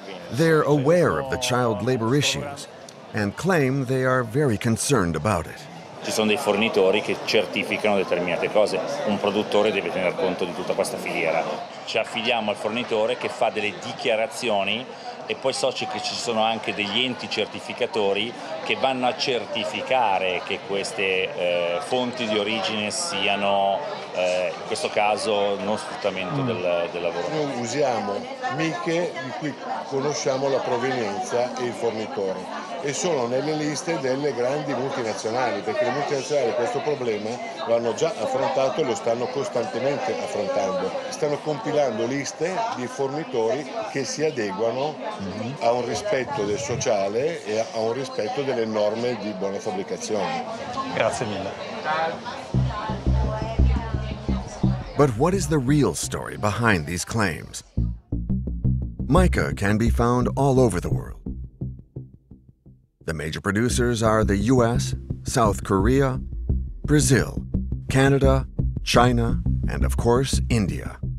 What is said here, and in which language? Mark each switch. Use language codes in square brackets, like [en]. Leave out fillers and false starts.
[en] They're aware of the child labor issues and claim they are very concerned about it. [it] Ci sono dei fornitori che certificano determinate cose. Un produttore deve tener conto di tutta questa filiera. Ci affidiamo al fornitore che fa delle dichiarazioni e poi so che ci sono anche degli enti certificatori che vanno a certificare che queste fonti di origine siano, in questo caso, non sfruttamento del lavoro. Noi usiamo miche di cui conosciamo la provenienza e il fornitore e sono nelle liste delle grandi multinazionali, perché le multinazionali questo problema lo hanno già affrontato e lo stanno costantemente affrontando. Stanno compilando liste di fornitori che si adeguano a un rispetto del sociale e a un rispetto delle norme di buona fabbricazione. Grazie mille. [en] But what is the real story behind these claims? Mica can be found all over the world. The major producers are the US, South Korea, Brazil, Canada, China, and of course, India.